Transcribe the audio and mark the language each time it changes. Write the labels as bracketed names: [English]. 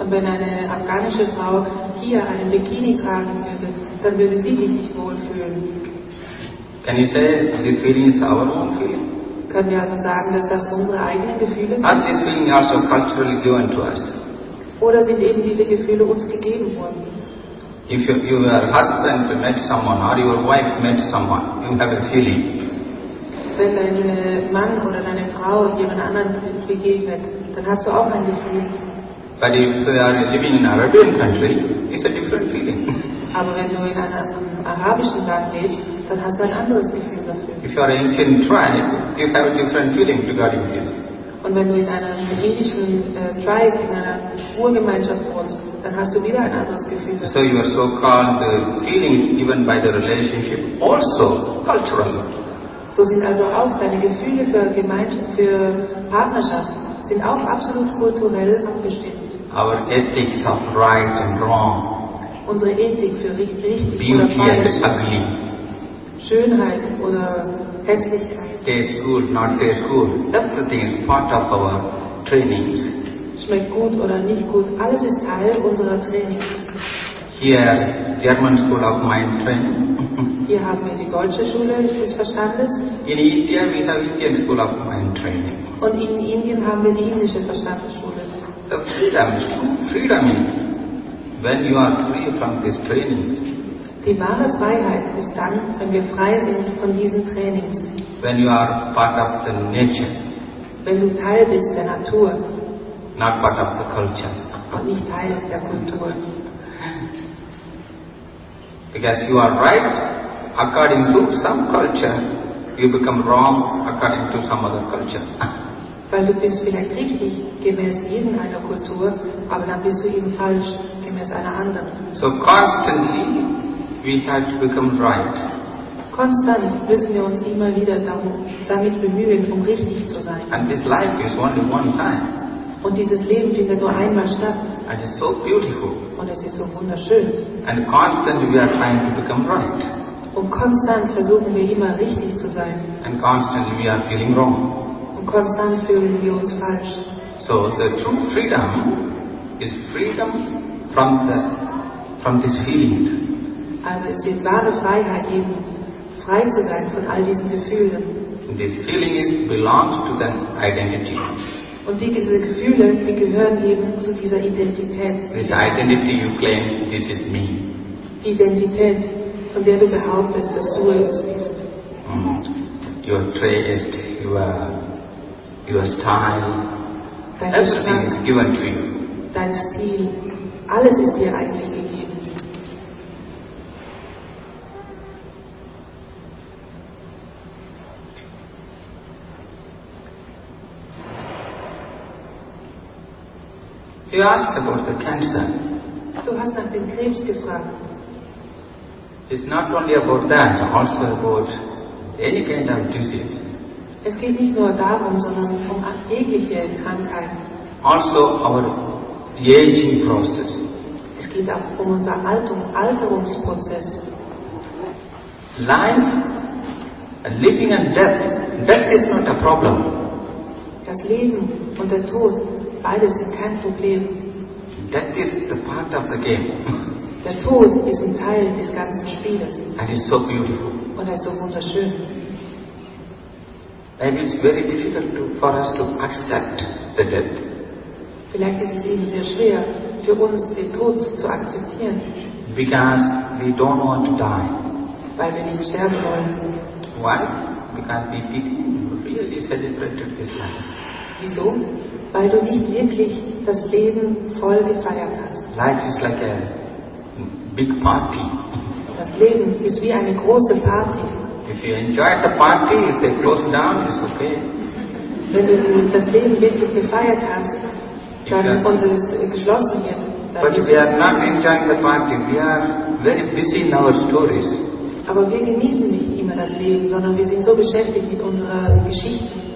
[German] Und wenn eine afghanische Frau hier einen Bikini tragen würde, dann würde sie sich nicht wohl fühlen. [English] Can you say this feeling is our own feeling? [German] Können wir also sagen, dass das unsere eigenen Gefühle sind? [English] Are these feelings also culturally given to us? [German] Oder sind eben diese Gefühle uns gegeben worden? [English] If your husband met someone or your wife met someone, you have a feeling. [German] Wenn dein Mann oder deine Frau jemand anderen begegnet, dann hast du auch ein Gefühl. [English] But if you are living in an Arabian country, it's a different feeling. [German] Aber wenn du in einem arabischen Land lebst, dann hast du ein anderes Gefühl dafür. [English] If you are an Indian tribe, you have a different feeling regarding this. [German] Und wenn du in einem indischen Tribe, in einer Urgemeinschaft wohnst, dann hast du wieder ein anderes Gefühl dafür. [English] So your so-called feelings given by the relationship also cultural. [German] So sind also auch deine Gefühle für Gemeinschaft, für Partnerschaft sind auch absolut kulturell abgestimmt. [English] Our ethics of right and wrong. [German] Unsere Ethik für richtig [English] Beauty [German] oder falsch. [English] And ugly. [German] Schönheit oder Hässlichkeit. [English] Tastes good, not tastes good. Everything is part of our trainings. [German] Schmeckt gut oder nicht gut. Alles ist Teil unserer Trainings. [English] Here, German School of Mind Training. [German] Hier haben wir die deutsche Schule des Verstandes. [English] In India, we have Indian School of Mind Training. [German] Und in Indien haben wir die indische Verstandesschule. [English] The freedom is true. Freedom is when you are free from this training. [German] Die wahre Freiheit ist dann, wenn wir frei sind von diesen Trainings. [English] When you are part of the nature. [German] Wenn du Teil bist der Natur. [English] Not part of the culture. [German] Und nicht Teil der Kultur. [English] Because you are right according to some culture, you become wrong according to some other culture. [German] Weil du bist vielleicht richtig gemäß irgendeiner Kultur, aber dann bist du eben falsch gemäß einer anderen. [English] So constantly we have to become right. [German] Konstant müssen wir uns immer wieder damit bemühen, um richtig zu sein. [English] And this life is only one time. [German] Und dieses Leben findet nur einmal statt. [English] And it's so beautiful. [German] Und es ist so wunderschön. [English] And constantly we are trying to become right. [German] Und konstant versuchen wir immer richtig zu sein. [English] And constantly we are feeling wrong. [German] Und konstant fühlen wir uns falsch. [English] So the true freedom is freedom from this feeling. [German] Also ist die wahre Freiheit eben, frei zu sein von all diesen Gefühlen. [English] And this feeling is belongs to the identity. [German] Und diese Gefühle, die gehören eben zu dieser Identität. [English] This identity you claim, this is me. [German] Die Identität, von der du behauptest, dass du es bist. [English] Mm. Your taste, your style, [German] dein [English] everything [German] Geschmack, [English] is given to you. [German] Dein Stil, alles ist dir eigentlich gegeben. [English] You asked about the cancer. [German] Du hast nach dem Krebs gefragt. [English] It's not only about that, also about any kind of disease. [German] Es geht nicht nur darum, sondern um jegliche Krankheit. [English] Also our aging process. [German] Es geht auch um unser Alterungsprozess. [English] Life, living and death, that is not a problem. [German] Das Leben und der Tod, beides sind kein Problem. [English] That is the part of the game. [German] Der Tod ist ein Teil des ganzen Spiels. [English] And it's so beautiful. [German] Und er ist so wunderschön. [English] Maybe it's very difficult for us to accept the death. [German] Vielleicht ist es eben sehr schwer für uns, den Tod zu akzeptieren. [English] Because we don't want to die. [German] Weil wir nicht sterben wollen. [English] Why? Because we didn't really celebrate this life. [German] Wieso? Weil du nicht wirklich das Leben voll gefeiert hast. [English] Life is like a big party. [German] Das Leben ist wie eine große Party. [English] If you enjoy the party, if they close down, it's okay. [German] Wenn du das Leben wirklich gefeiert hast, dann und es geschlossen wird, dann [English] but we are not enjoying the party. We are very busy in our stories. [German] Aber wir genießen nicht immer das Leben, sondern wir sind so beschäftigt mit unserer Geschichte.